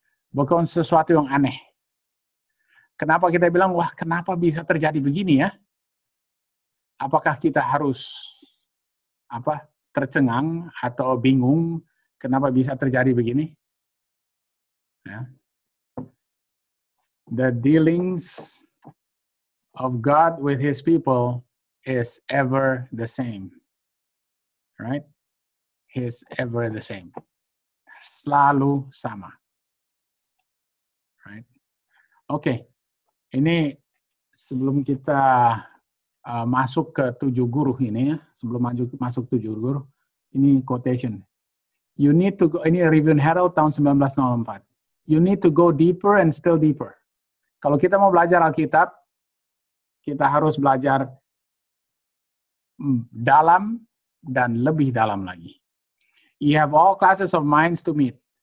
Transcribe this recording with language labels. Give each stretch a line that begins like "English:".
Indonesian: Bukan sesuatu yang aneh. Kenapa kita bilang, wah kenapa bisa terjadi begini ya? Apakah kita harus tercengang atau bingung kenapa bisa terjadi begini? Ya.
English: The dealings of God with his people is ever the same. Right? He's ever the same.
Indonesian: Selalu sama.
English: Right? Okay.
Indonesian: Ini sebelum kita masuk ke tujuh guru ini ya. Sebelum masuk tujuh guru. Ini quotation.
English: You need to go.
Indonesian: Ini Review and Herald tahun 1904.
English: You need to go deeper and still deeper.
Indonesian: Kalau kita mau belajar Alkitab, kita harus belajar dalam dan lebih dalam lagi.
English: You have all classes of minds to meet.